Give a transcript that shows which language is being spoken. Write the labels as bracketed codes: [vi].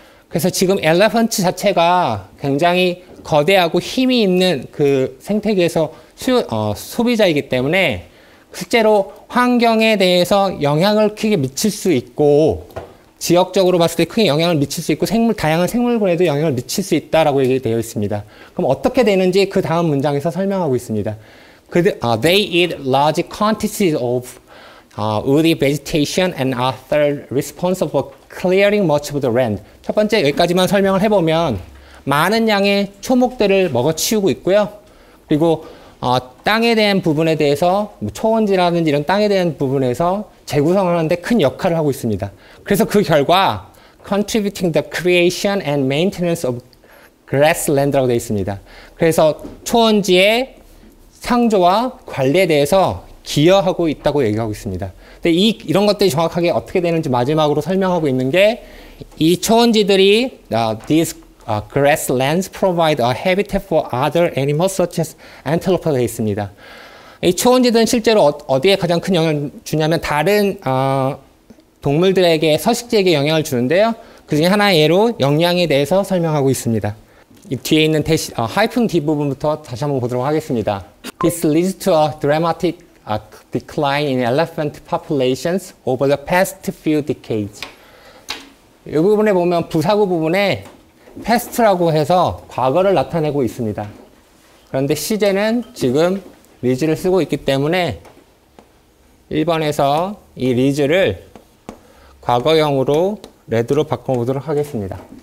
[ko] 그래서 지금 엘레펀트 자체가 굉장히 거대하고 힘이 있는 그 생태계에서 소비자이기 때문에 실제로 환경에 대해서 영향을 크게 미칠 수 있고 지역적으로 봤을 때 크게 영향을 미칠 수 있고 다양한 생물군에도 영향을 미칠 수 있다라고 얘기되어 있습니다. 그럼 어떻게 되는지 그 다음 문장에서 설명하고 있습니다. [en] They eat large quantities of woody vegetation and are third responsible for clearing much of the land. [ko] 첫 번째 여기까지만 설명을 해보면 많은 양의 초목들을 먹어치우고 있고요. 그리고 땅에 대한 부분에 대해서 초원지라든지 이런 땅에 대한 부분에서 재구성하는데 큰 역할을 하고 있습니다. 그래서 그 결과 [en] contributing the creation and maintenance of grassland라고 되어 있습니다. [ko] 그래서 초원지의 창조와 관리에 대해서 기여하고 있다고 얘기하고 있습니다. 근데 이런 것들이 정확하게 어떻게 되는지 마지막으로 설명하고 있는 게 이 초원지들이 [en] these grasslands provide a habitat for other animals such as antelope [ko] 가 되어 있습니다. 이 초원지들은 실제로 어디에 가장 큰 영향을 주냐면 다른 동물들에게 서식지에게 영향을 주는데요. 그중에 하나의 예로 영양에 대해서 설명하고 있습니다. 이 뒤에 있는 하이픈 뒷부분부터 다시 한번 보도록 하겠습니다. [en] This leads to a dramatic decline in elephant populations over the past few decades. [ko] 이 부분에 보면 부사구 부분에 past라고 해서 과거를 나타내고 있습니다. 그런데 시제는 지금 리즈를 쓰고 있기 때문에 1번에서 이 리즈를 과거형으로 레드로 바꿔보도록 하겠습니다.